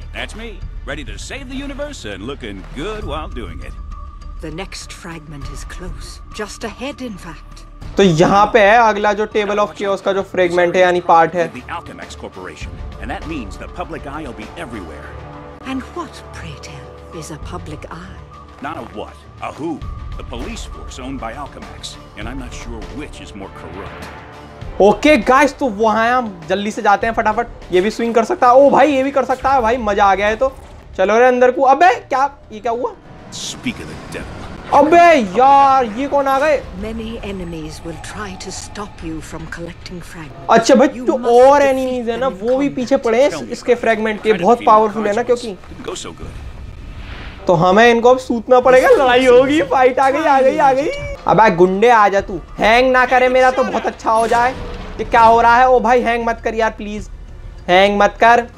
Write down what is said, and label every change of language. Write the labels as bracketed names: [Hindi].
[English] That's me ready to save the universe and looking good while doing it The next fragment is close just ahead in fact [Hindi] तो यहां पे है अगला जो table of chaos का जो fragment है यानी पार्ट है [English] The Alchemex Corporation and that means the public eye will be everywhere And what pray tell is a public eye Not a what a who The police force owned by Alchemex, and I'm not sure which is more corrupt. Okay, guys, [Hindi] तो वहाँ हम जल्दी से जाते हैं फटाफट ये भी स्विंग कर सकता है ओ भाई ये भी कर सकता है भाई मजा आ गया है तो चलो रे अंदर को अबे क्या ये क्या हुआ [English] Speak of the devil. [Hindi] अबे यार ये कौन आ गए [English] Many enemies will try to stop you from collecting fragments. [Hindi] अच्छा भाई जो और enemies है ना वो भी पीछे पड़े हैं इसके fragment के बहुत powerful है ना क्योंकि तो हमें इनको अब सूतना पड़ेगा लड़ाई होगी फाइट आ गई अबे गुंडे आ जा तू हैंग ना करे मेरा तो बहुत अच्छा हो जाए ये क्या हो रहा है ओ भाई हैंग मत कर यार प्लीज हैंग मत कर